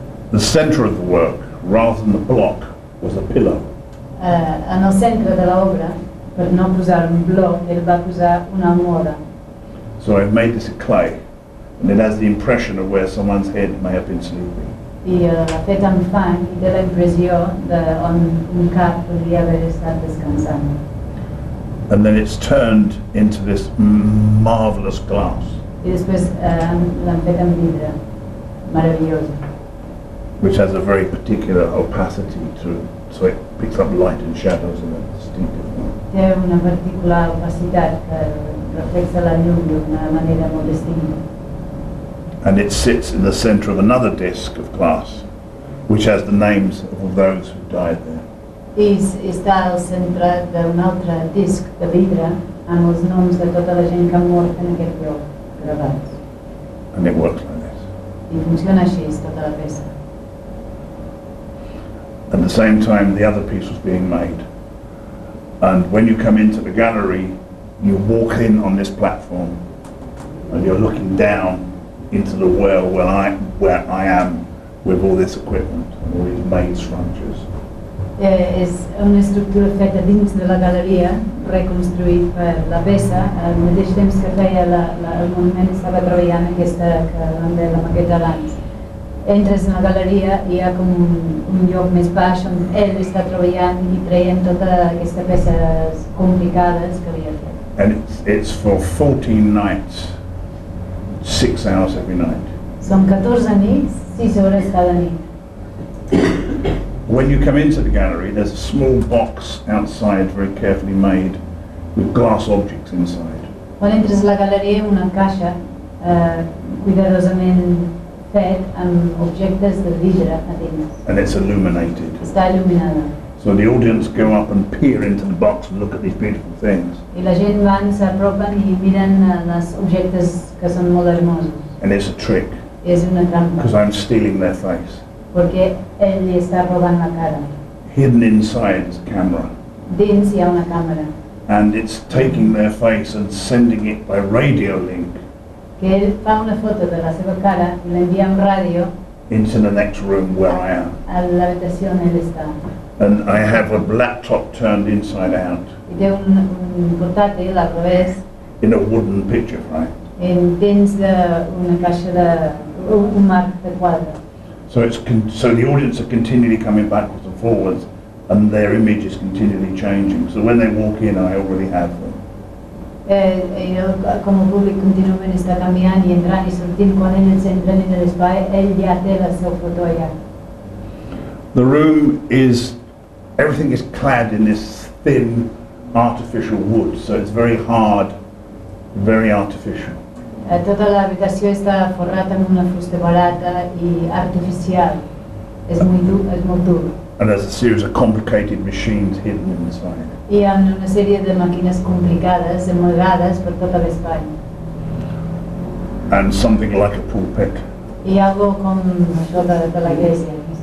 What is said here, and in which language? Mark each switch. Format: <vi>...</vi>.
<en>The center of the work, rather than the block, was a pillow.</en> <ca>En el centre de l'obra, per no posar un bloc, ell va posar una almohada.</ca> <en>So I've made this a clay, and it has the impression of where someone's head may have been sleeping.</en> <ca>I fet amb fang i té la impressió de on un cap podria haver estat descansant.</ca> <en>And then it's turned into this marvelous glass.</en> <ca>I després l'han fet amb vidre, meravellós.</ca> <en>Which has a very particular opacity to it, so it picks up light and shadows in a distinctive way.</en> <ca>Té una particular opacitat que reflexa la llum d'una manera molt distinta.</ca> <en>And it sits in the center of another disc of glass, which has the names of all those who died there.</en> <ca>I està al centre d'un altre disc de vidre amb els noms de tota la gent que ha mort en aquest lloc gravats.</ca> <en>And it works like this.</en> <ca>I funciona així, tota la peça.</ca> <en>At the same time, the other piece was being made. And when you come into the gallery, you walk in on this platform, and you're looking down into the well where I am with all this equipment, all these main structures.</en> <ca>És una estructura feta dins de la galeria, reconstruït per la peça. Al mateix temps que feia el monument, estava treballant aquesta que la maqueta d'abans. Entres en la galeria i hi ha com un lloc més baix on ell està treballant i traient totes aquestes peces complicades que havia fet.</ca> <en>And it's for 14 nights, 6 hours every night.</en> <ca>Són 14 nits, 6 hores cada nit.</ca> <en>When you come into the gallery, there's a small box outside, very carefully made, with glass objects inside.</en> <ca>Quan entres a la galeria, una caixa, cuidadosament fet amb objectes de vidre a dins.</ca> <en>And it's illuminated.</en> <ca>Està il·luminada.</ca> <en>So the audience go up and peer into the box and look at these beautiful things.</en> <ca>I la gent van, s'apropen i miren els objectes que són molt hermosos.</ca> <en>And it's a trick.</en> <ca>És una trampa.</ca> <en>Because I'm stealing their face.</en> <ca>Perquè ell li està robant la cara.</ca> <en>Hidden inside is a camera.</en> <ca>Dins hi ha una càmera.</ca> <en>And it's taking their face and sending it by radio link.</en> <ca>Que ell fa una foto de la seva cara i l'envia en ràdio.</ca> <en>Into the next room where I am.</en> <ca>A l'habitació on ell està.</ca> <en>And I have a laptop turned inside out.</en> <ca>I té un portàtil al revés.</ca> <en>In a wooden picture frame.</en> <ca>Dins d'una caixa de... un marc de quadre.</ca> <en>So the audience are continually coming backwards and forwards and their image is continually changing. So when they walk in, I already have them.</en> <ca>Com el públic contínuament està canviant i entrant i sortint, quan ell ens entra en l'espai, ell ja té la seva foto allà.</ca> <en>The room is, everything is clad in this thin artificial wood, so it's very hard very artificial.</en> <ca>Tota l'habitació està forrat amb una fusta barata i artificial. És molt dur, és molt dur.</ca> <en>And there's a series of complicated machines hidden inside.</en> <ca>Hi ha una sèrie de màquines complicades amagades per tota l'espai.</ca> <en>And something like a pulpit.</en> <ca>Hi ha algo com això de l'església.</ca>